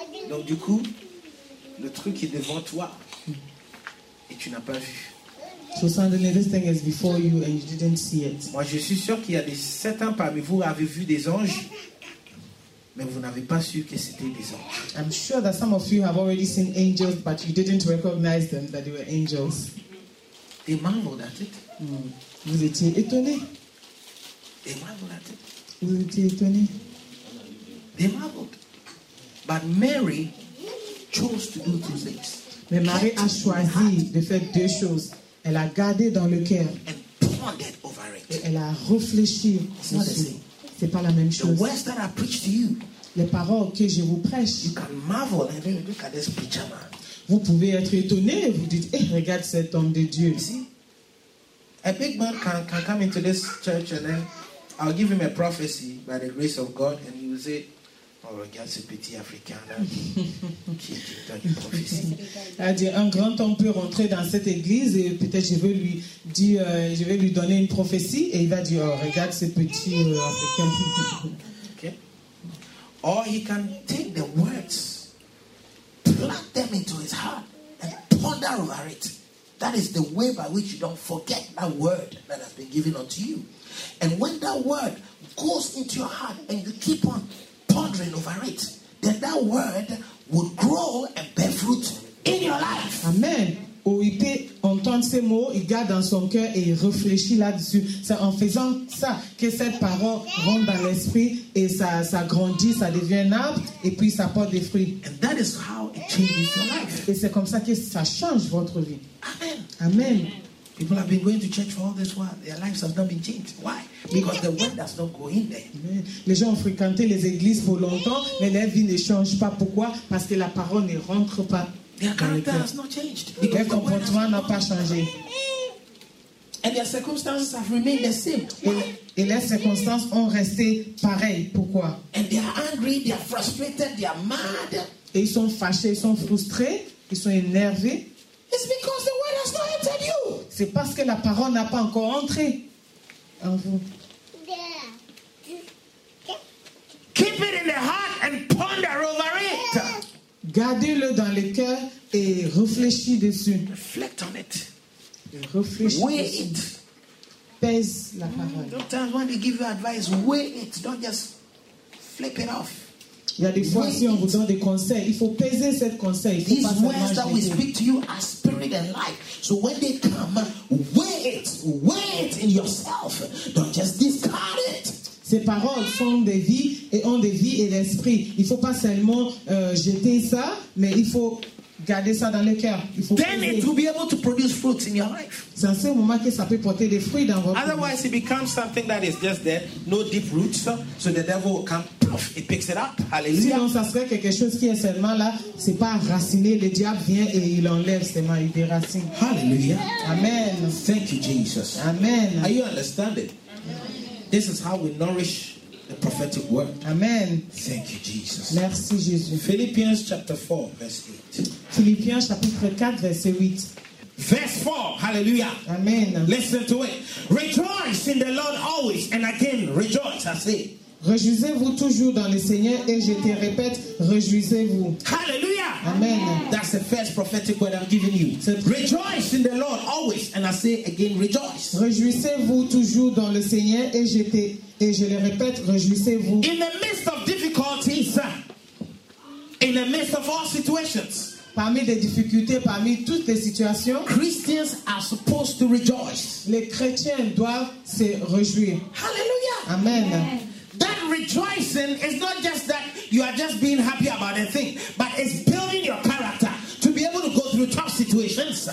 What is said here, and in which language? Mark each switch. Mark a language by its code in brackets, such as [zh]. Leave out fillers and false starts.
[fr] Donc du coup, le truc est devant toi et tu n'as pas vu. [en] So suddenly this thing is before you and you didn't see it. [fr] Moi, je suis sûr qu'il y a des certains parmi vous qui avaient vu des anges, mais vous n'avez pas su que c'était des anges. [en] I'm sure that some of you have already seen angels, but you didn't recognize them that they were angels. They marveled at it. [fr] Vous étiez étonné. [en] They marveled at it. [fr] Vous étiez étonné. [en] They marveled. But Mary chose to do two things. [fr] Mais Marie a choisi de faire deux choses. Elle a gardé dans le cœur. [en] And pondered over it. [fr] Et elle a réfléchi. C'est pas la même chose. [en] The words that I preach to you. [fr] Les paroles que je vous prêche. [en] You can marvel and then look at this preacher man. [fr] Vous pouvez être étonné. Vous dites, hey, regarde cet homme de Dieu. [en] See? A big man can come into this church and then I'll give him a prophecy by the grace of God, and he will say, [fr] Oh, regarde ce petit Africain là qui est une tonne de prophétie. C'est-à-dire, un grand homme peut rentrer dans cette église et peut-être je vais lui dire, je vais lui donner une prophétie et il va dire, oh, regarde ce petit Africain. [en] Okay. Or he can take the words, plant them into his heart and ponder over it. That is the way by which you don't forget that word that has been given unto you. And when that word goes into your heart and you keep on pondering over it, then that word would grow and bear fruit in your life. Amen. [fr] Ou il peut entendre ces mots, il garde dans son cœur et il réfléchit là-dessus. C'est en faisant ça que cette parole rentre dans l'esprit et ça grandit, ça devient un arbre et puis ça porte des fruits. [en] And that is how it changes your life. [fr] Et c'est comme ça que ça change votre vie. Amen. Amen. [en] People have been going to church for all this while. Their lives have not been changed. Why? Because the word does not go in there. Amen. [fr] Les gens ont fréquenté les églises pour longtemps, mais leur vie ne change pas. Pourquoi? Parce que la parole ne rentre pas. [en] Their character has not changed. [fr] Leur comportement n'a pas changé. [en] And their circumstances have remained the same. [fr] Et leurs circonstances ont resté pareilles. Pourquoi? [en] And they are angry, they are frustrated, they are mad. [fr] Et ils sont fâchés, ils sont frustrés, ils sont énervés. [en] It's because the word has not entered you. [fr] C'est parce que la parole n'a pas encore entré en vous. [en] Keep it in the heart and ponder over it. [fr] Gardez-le dans le cœur et réfléchis dessus. [en] Reflect on it. [fr] Réfléchis. [en] Weigh it. [fr] Pèse la parole. [en] Sometimes when they give you advice, weigh it. Don't just flip it off. [fr] Il y a des fois, si on vous donne des conseils, il faut peser cette conseil. [en] These words that we speak to you are spirit and life. So when they come, weigh it in yourself. Don't just discard it. [fr] Ces paroles sont des vies et ont des vies et l'esprit. Il ne faut pas seulement jeter ça, mais il faut garder ça dans le cœur. [en] Then it will be able to produce fruits in your life. [fr] C'est en ce moment que ça peut porter des fruits dans votre vie. [en] Otherwise, it becomes something that is just there, no deep roots, so the devil will come, poof, it picks it up. Hallelujah. [fr] Sinon, ça serait quelque chose qui est seulement là, c'est pas enraciné. Le diable vient et il enlève seulement, il déracine. Hallelujah. Amen. [en] Thank you, Jesus. Amen. Are you understanding? This is how we nourish the prophetic word. Amen. Thank you, Jesus. [fr] Merci, Jésus. [en] Philippians chapter 4, verse 8. [fr] Philippiens chapitre 4, verset 8. [en] Verse 4, hallelujah. Amen. Listen to it. Rejoice in the Lord always, and again, rejoice, I say. [fr] Réjouissez-vous toujours dans le Seigneur, et je te répète, réjouissez-vous. Hallelujah. Amen. [en] That's the first prophetic word I'm giving you. Rejoice in the Lord always, and I say again, rejoice. [fr] Réjouissez-vous toujours dans le Seigneur, et je le répète, réjouissez-vous. [en] In the midst of difficulties, in the midst of all situations, [fr] parmi les difficultés, parmi toutes les situations, [en] Christians are supposed to rejoice. [fr] Les chrétiens doivent se réjouir. Hallelujah. Amen. [en] That rejoicing is not just that you are just being happy about a thing, but it's building your character to be able to go through tough situations.